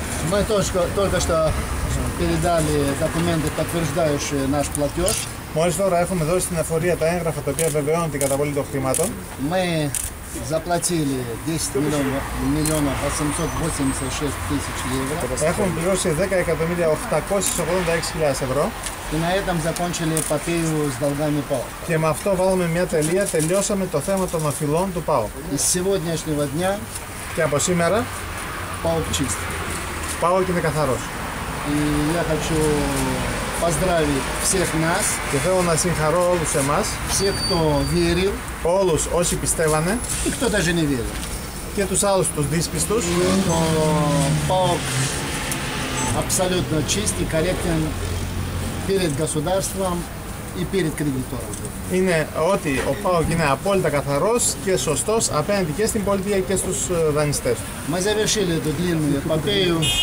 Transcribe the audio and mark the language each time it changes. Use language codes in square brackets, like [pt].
[ru] Мы только что передали документы, подтверждающие наш платеж. [el] Μόλις τώρα έχουμε δώσει στην εφορία τα έγγραφα τα οποία βεβαιώνουν την καταβολή των χρημάτων. [ru] Мы заплатили 10 886 000 евро. [el] Έχουμε πληρώσει 10.886.000 ευρώ. [ru] И на этом закончили эпопею с долгами ПАО. [el] Και με αυτό βάλουμε μια τελεία, τελειώσαμε το θέμα των οφειλών του ΠΑΟ. [ru] И с сегодняшнего дня. [el] Και από σήμερα. [ru] ПАО чист. [el] ПАО είναι καθαρός. [ru] И я хочу поздравить всех нас. [el] Και θέλω να συγχαρώ όλους εμάς. [ru] Всех, кто верил. [el] Όλους όσοι πιστεύανε. [ru] И кто даже не верил. [el] Και τους άλλους τους δύσπιστους. Το [ru] ПАО абсолютно чист и корректен. Перед государством и перед кредитором. [el] Είναι ότι ο ΠΑΟΚ είναι απόλυτα καθαρός και σωστός απέναντι και στην πολιτεία και στους δανειστές. Μα [ru] завершили эту длинную эпопею.